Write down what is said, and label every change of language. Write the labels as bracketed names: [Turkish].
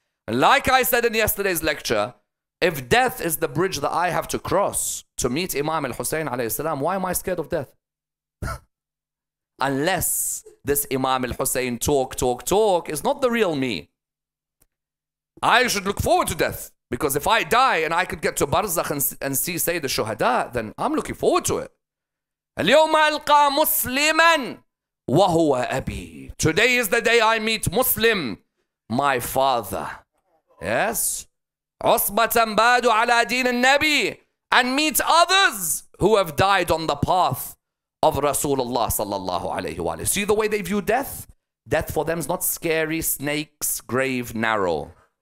[English] Like I said in yesterday's lecture, if death is the bridge that I have to cross to meet Imam al-Hussein, alayhi salam, why am I scared of death? Unless this Imam al-Hussein talk is not the real me. I should look forward to death. Because if I die and I could get to Barzakh and see Sayyid al-Shuhada, then I'm looking forward to it. [Arabic] اليوم ألقى مسلما وهو أبي. [English] Today is the day I meet Muslim, my father. Yes. [Arabic] عُصْبَةً بَادُ عَلَى دِينِ النَّبِي. [English] And meet others who have died on the path of Rasulullah sallallahu alayhi wa alayhi. See the way they view death? Death for them is not scary, snakes, grave, narrow.